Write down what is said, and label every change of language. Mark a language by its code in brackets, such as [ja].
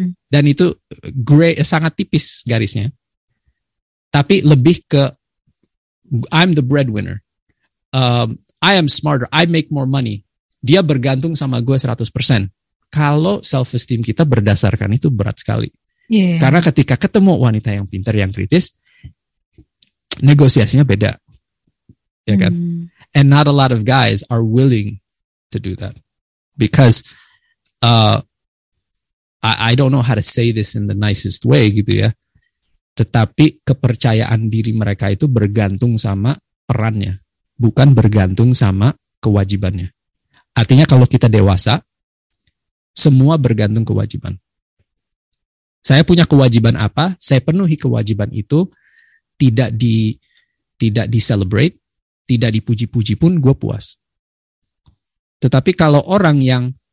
[id] Dan itu gray, sangat tipis garisnya. Tapi lebih ke, [en] I'm the breadwinner. I am smarter. I make more money. [id] Dia bergantung sama gue 100%. Kalau self-esteem kita berdasarkan itu berat sekali. Karena ketika ketemu wanita yang pintar, yang kritis, negosiasinya beda. Ya kan? [en] And not a lot of guys are willing to do that. Because, I don't know how to say this in the nicest way [id] gitu ya. Tetapi kepercayaan diri mereka itu bergantung sama perannya, bukan bergantung sama kewajibannya. Artinya kalau kita dewasa, semua bergantung kewajiban. Saya punya kewajiban apa? Saya penuhi kewajiban itu, tidak di celebrate, tidak dipuji-puji pun gue puas. Tetapi kalau orang yang